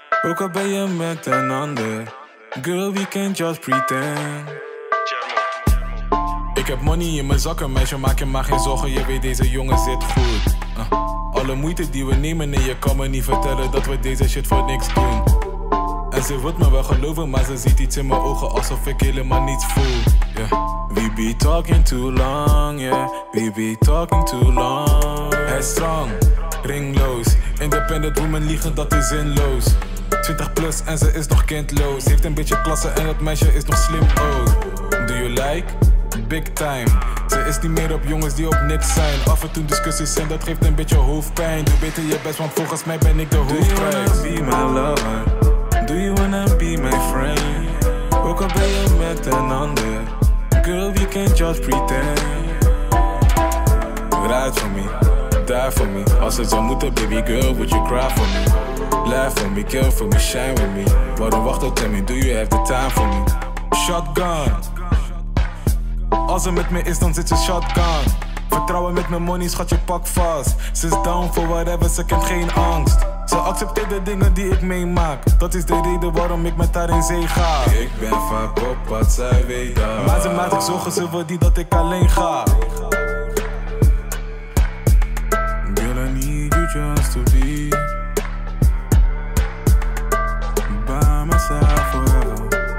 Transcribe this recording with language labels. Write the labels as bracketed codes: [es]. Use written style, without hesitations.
[en] Woke up by your met and under. Girl, we can just pretend. [nl] Ik heb money in mijn zakken, meisje, maak je maar geen zorgen. Je weet, deze jongen zit goed. Alle moeite die we nemen, nee, je kan me niet vertellen dat we deze shit voor niks doen. En ze wil me wel geloven, maar ze ziet iets in mijn ogen alsof ik helemaal niets voel. [en] Yeah. We be talking too long, yeah. We be talking too long. [nl] Hij is strong, ringloos. [en] Independent woman [nl] liegen, dat is zinloos. 20 plus en ze is nog kindloos. Heeft een beetje klasse en dat meisje is nog slim ook. [en] Do you like? Big time. [nl] Ze is niet meer op jongens die op niks zijn. Af en toe discussies zijn, dat geeft een beetje hoofdpijn. Doe beter je best, want volgens mij ben ik de hoofdprijs. [en] Do you wanna be my lover? Do you wanna be my friend? [nl] Ook al ben je met een ander. [en] Girl, we can just pretend. Ride for me, die for me. [nl] Als het zou moeten, [en] baby girl, would you cry for me? Laugh for me, kill for me, shine with me. [nl] Waarom wacht op, [en] tell me, do you have the time for me? Shotgun. [nl] Als ze met me is, dan zit ze shotgun. Vertrouwen met mijn money, schat je pak vast. Ze is down for whatever, ze kent geen angst. Ze accepteert de dingen die ik meemaak. Dat is de reden waarom ik met haar in zee ga. Ik ben vaak op wat zij weet. Maar ze maakt zich zorgen, ze wil niet dat ik alleen ga. [en] Girl, I need you just to be by my side forever.